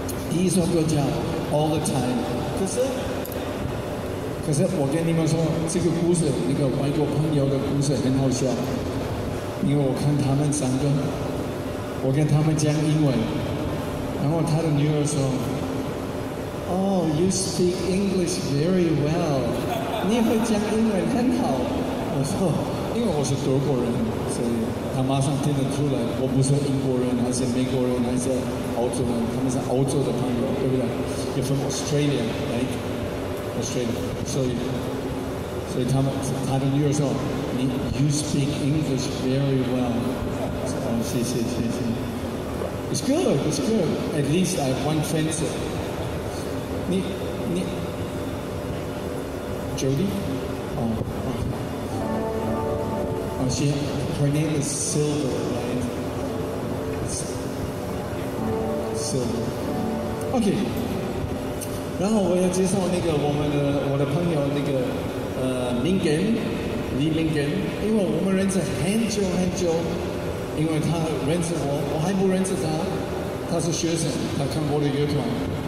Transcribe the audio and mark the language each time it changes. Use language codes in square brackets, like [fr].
[zh] 第一首歌叫《All the Time》，可是我跟你们说，这个故事，那个外国朋友的故事很好笑，因为我看他们三个，我跟他们讲英文，然后他的女儿说。 [en] Oh, you speak English very well. [zh] 你会讲英文很好。我说，因为我是德国人，所以他马上听得出来，我不是英国人，还是美国人，还是澳洲人，他们是澳洲的朋友，对不对？ [en] You're from Australia, right? Australia. [zh] 所以他的女儿说， [en] you speak English very well. [zh] 谢谢。 [en] It's good. At least I have one chance. 你 Jody? Oh, she, her name is Silver, right? Silver. Okay. [zh] 然后我要介绍那个我的朋友那个李明根，因为我们认识很久，因为他认识我，我还不认识他，他是学生，他看我的乐团。